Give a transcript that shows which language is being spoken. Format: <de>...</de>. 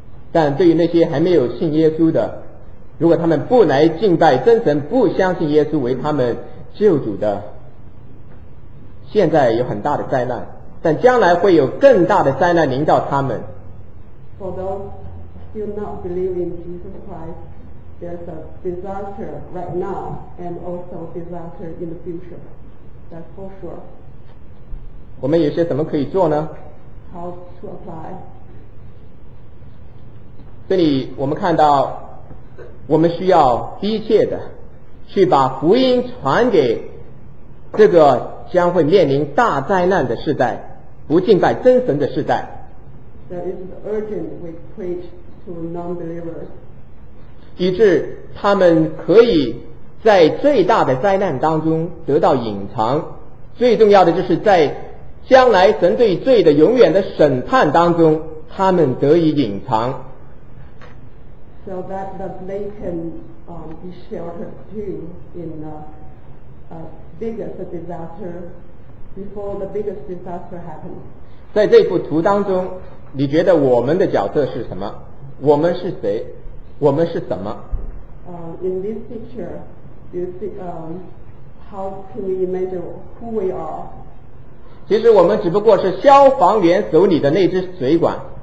<zh>但对于那些还没有信耶稣的，如果他们不来敬拜真神，不相信耶稣为他们救主的，现在有很大的灾难，但将来会有更大的灾难临到他们。</zh> <en>For those still not believing Jesus Christ, there's a disaster right now and also disaster in the future. That's for sure.</en> <zh>我们有些什么可以做呢？</zh> <en>How to apply?</en> <zh>这里我们看到我们需要迫切的去把福音传给这个将会面临大灾难的世代，不敬拜真神的世代。</zh> <en>That is the urgent we preach to non-believers.</en> <zh>以致他们可以在最大的灾难当中得到隐藏，最重要的就是在将来神对罪的永远的审判当中他们得以隐藏。</zh> <en>So that they can be sheltered too in the biggest disaster before the biggest disaster happens.</en> <zh>在这幅图当中，你觉得我们的角色是什么？我们是谁？我们是什么？</zh> <en>In this picture, you see how can we imagine who we are?</en> <zh>其实我们只不过是消防员手里的那只水管。</zh>